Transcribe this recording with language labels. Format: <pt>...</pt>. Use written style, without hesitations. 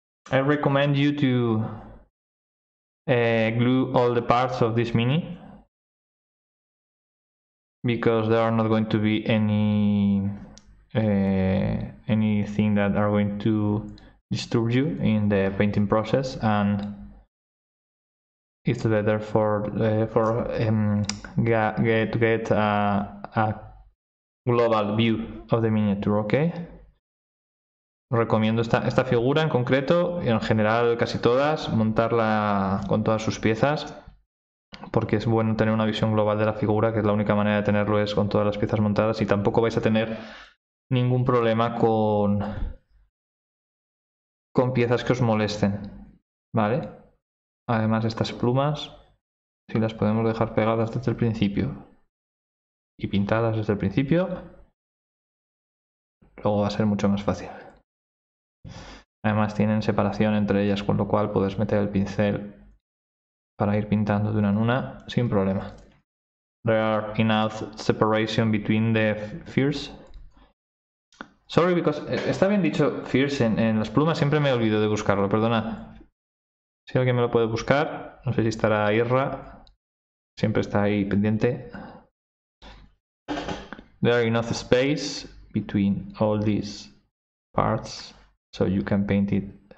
<en>I recommend you to glue all the parts of this mini, because there are not going to be anything that are going to disturb you in the painting process, and it's better to get a global view of the miniature, okay?</en> <es>Recomiendo esta figura en concreto, y en general casi todas, montarla con todas sus piezas, porque es bueno tener una visión global de la figura, que es la única manera de tenerlo, es con todas las piezas montadas, y tampoco vais a tener ningún problema con piezas que os molesten, ¿vale? Además, estas plumas, si las podemos dejar pegadas desde el principio y pintadas desde el principio, luego va a ser mucho más fácil. Además, tienen separación entre ellas, con lo cual puedes meter el pincel para ir pintando de una en una sin problema.</es> <en>There are enough separation between the fears,</en> <es>Sorry, because está bien dicho fierce en las plumas, siempre me olvido de buscarlo, perdona. Si alguien me lo puede buscar, no sé si estará Irra, siempre está ahí pendiente.</es> <en>There is enough space between all these parts, so you can paint it.</en>